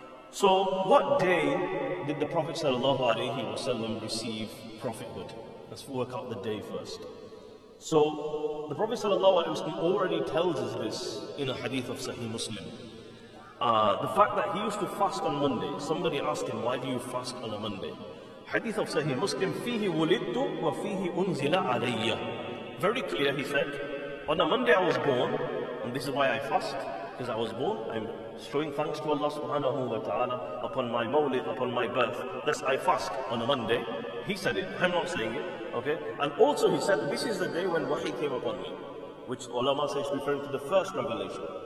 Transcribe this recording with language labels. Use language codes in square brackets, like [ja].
[en] So, what day did the Prophet sallallahu alayhi wa sallam receive prophethood? Let's work out the day first. So, the Prophet sallallahu alayhi wa sallam already tells us this in a hadith of Sahih Muslim. The fact that he used to fast on Monday, somebody asked him, why do you fast on a Monday? Hadith of Sahih Muslim, [ar] فِيهِ وُلِدْتُ وَفِيهِ أُنزِلَ عَلَيَّ. [en] Very clear, he said, on a Monday I was born, and this is why I fast, because I was born, I'm showing thanks to Allah subhanahu wa ta'ala upon my mawlid, upon my birth, thus I fast on a Monday. He said it, I'm not saying it, okay? And also he said, this is the day when wahi came upon me, which ulama says referring to the first revelation.